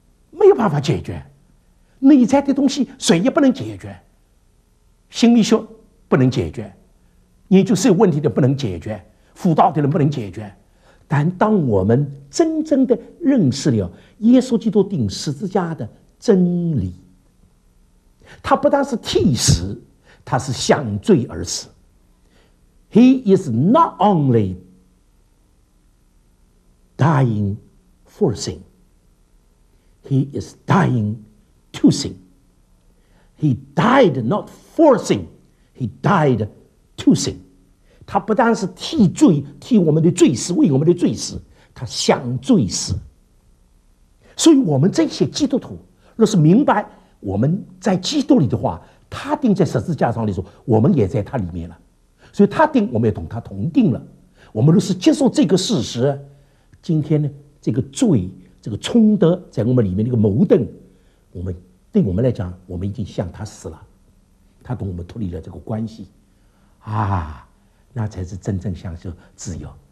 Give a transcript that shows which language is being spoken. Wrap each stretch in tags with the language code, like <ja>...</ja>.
<zh>没有办法解决，内在的东西谁也不能解决，心理学不能解决，研究社会问题的不能解决，辅导的人不能解决。但当我们真正的认识了耶稣基督钉十字架的真理，他不但是替死，他是向罪而死。</zh> <en>He is not only dying for sin, He is dying to sin. He died not for sin, He died to sin.</en> <zh>他不但是替罪，替我们的罪死，为我们的罪死，他向罪死。所以我们这些基督徒若是明白我们在基督里的话，他钉在十字架上的时候，我们也在他里面了。所以他钉，我们也同他同钉了。我们若是接受这个事实，今天呢，这个罪，这个冲得在我们里面那个矛盾，我们对我们来讲，我们已经向他死了，他跟我们脱离了这个关系，啊，那才是真正享受自由。</zh>